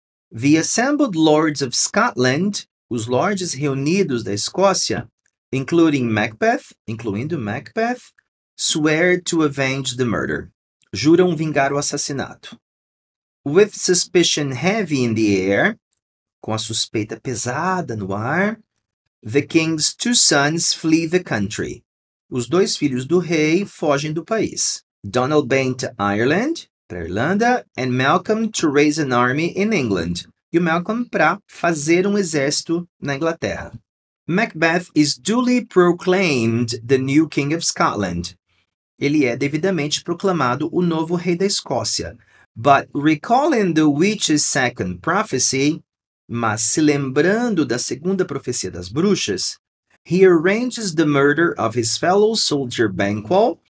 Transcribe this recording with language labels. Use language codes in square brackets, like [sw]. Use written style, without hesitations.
[en] The assembled lords of Scotland, [pt] os lordes reunidos da Escócia, incluindo [en] Macbeth, swear to avenge the murder. [pt] Juram vingar o assassinato. [en] With suspicion heavy in the air, [pt] com a suspeita pesada no ar, [en] the king's two sons flee the country. [pt] Os dois filhos do rei fogem do país. Donald Bane [en] to Ireland, [pt] para a Irlanda, [en] and Malcolm to raise an army in England. [pt] E o Malcolm para fazer um exército na Inglaterra. [en] Macbeth is duly proclaimed the new king of Scotland. [pt] Ele é devidamente proclamado o novo rei da Escócia. [en] But recalling the witch's second prophecy, [pt] mas se lembrando da segunda profecia das bruxas, [en] he arranges the murder of his fellow soldier Banquo.